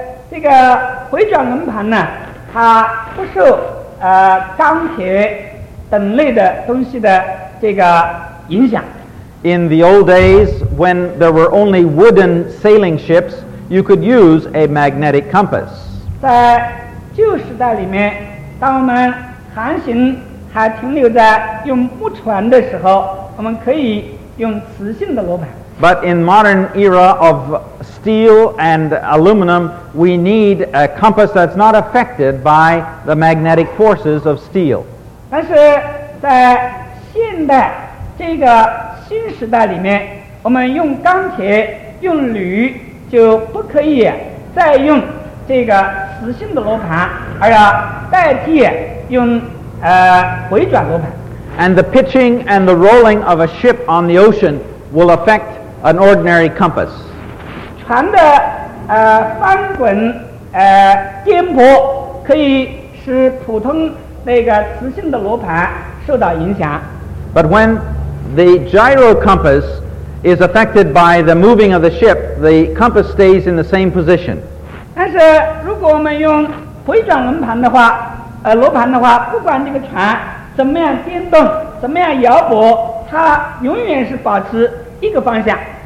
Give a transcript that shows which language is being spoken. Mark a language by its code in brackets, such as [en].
[zh] 这个回转轮盘呢，它不受钢铁等类的东西的这个影响。 [en] In the old days, when there were only wooden sailing ships, you could use a magnetic compass. [zh] 在旧时代里面，当我们航行还停留在用木船的时候，我们可以用磁性的罗盘。 [en] But in modern era of steel and aluminum, we need a compass that's not affected by the magnetic forces of steel. [zh] 但是在现代这个新时代里面，我们用钢铁、用铝就不可以再用这个磁性的罗盘，而要代替用回转罗盘。 [en] And the pitching and the rolling of a ship on the ocean will affect an ordinary compass. [zh] 船的翻滚颠簸可以使普通那个磁性的罗盘受到影响。 [en] But when the gyro compass is affected by the moving of the ship, the compass stays in the same position. [zh] 但是如果我们用回转轮盘的话，罗盘的话，不管这个船怎么样颠动，怎么样摇拨，它永远是保持一个方向。